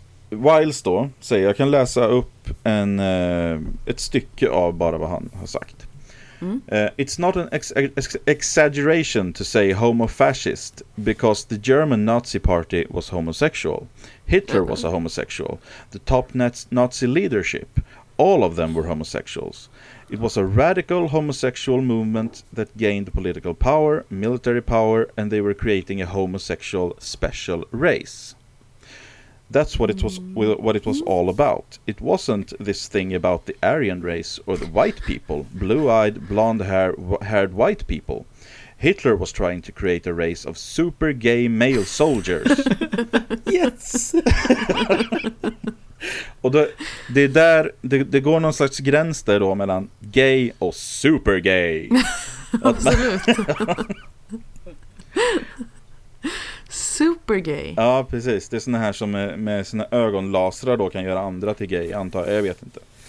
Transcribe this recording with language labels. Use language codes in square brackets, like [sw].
[sv] Wiles då säger, jag kan läsa upp ett stycke av bara vad han har sagt. [en] It's not an exaggeration to say homofascist because the German Nazi party was homosexual. Hitler was a homosexual. The top Nazi leadership, all of them were homosexuals. It was a radical homosexual movement that gained political power, military power, and they were creating a homosexual special race. That's what it was all about. It wasn't this thing about the Aryan race or the white people, blue-eyed, blonde-haired white people. Hitler was trying to create a race of super gay male soldiers. Yes. [sv] Och det är där det går någon slags gräns där då mellan gay och super gay. Absolut. [en] Super gay. [sv] Ja, precis. Det är såna här som med sina ögonlasrar då kan göra andra till gay, antar jag. Jag vet inte.